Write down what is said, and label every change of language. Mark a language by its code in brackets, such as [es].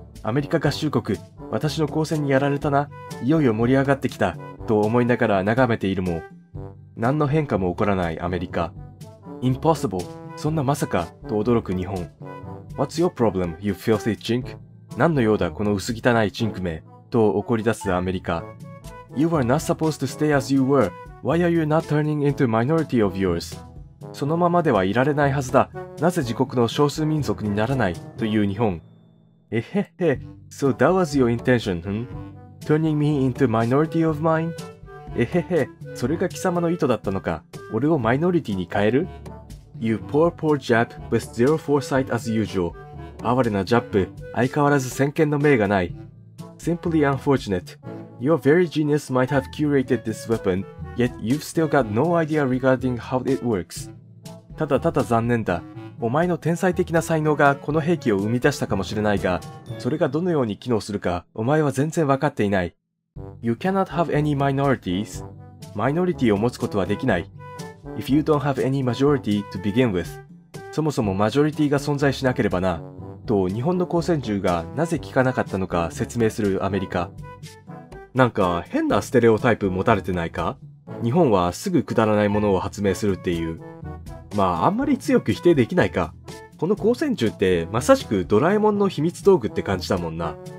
[ja] アメリカ合衆国、私の光線にやられたな。いよいよ盛り上がってきた。と思いながら眺めているも、何の変化も起こらないアメリカ。 [en] Impossible. [ja] そんなまさか、と驚く日本。 [en] What's your problem, you filthy chink? [ja] 何のようだ、この薄汚いチンクめ、と怒り出すアメリカ。 [en] You are not supposed to stay as you were. Why are you not turning into a minority of yours? [ja] そのままではいられないはずだ。なぜ自国の少数民族にならない、という日本。 [en] えへへ、so that was your intention, hm? Turning me into a minority of mine? [ja] えへへ、それが貴様の意図だったのか。俺をマイノリティに変える? [en] You poor poor Jap with zero foresight as usual. [ja] 哀れなジャップ、相変わらず先見の明がない。 [en] Simply unfortunate. Your very genius might have curated this weapon, yet you've still got no idea regarding how it works. [ja] ただただ残念だ。お前の天才的な才能がこの兵器を生み出したかもしれないが、それがどのように機能するか、お前は全然わかっていない。 [en] You cannot have any minorities. [ja] マイノリティを持つことはできない。 [en] If you don't have any majority to begin with. [ja] そもそもマジョリティが存在しなければな。と、日本の光線銃がなぜ効かなかったのか説明するアメリカ。なんか変なステレオタイプ持たれてないか？日本はすぐくだらないものを発明するっていう。まあ、あんまり強く否定できないか。この光線銃ってまさしくドラえもんの秘密道具って感じだもんな。